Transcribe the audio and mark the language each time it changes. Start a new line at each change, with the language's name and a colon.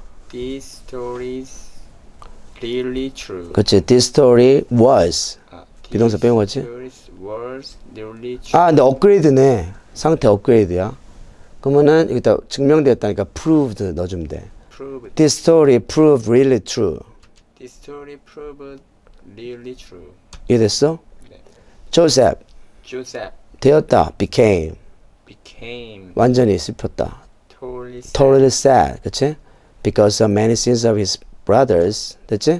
English: These stories really true. 그치, this story was.
Korean: 비동사
English: These
Korean: 빼고 왔지?
English: stories was really
Korean: 아, 근데
English: true.
Korean: upgrade네. 상태 upgrade야. 그러면은 여기다 증명되었다니까 proved 넣어주면 돼.
English: Proved. This story proved really true. This story proved really true.
Korean: 이해됐어? Joseph 조셉 되었다, became.
English: became
Korean: 완전히 슬펐다.
English: totally sad. Totally sad, 그치? Because of many sins of his brothers, 그치?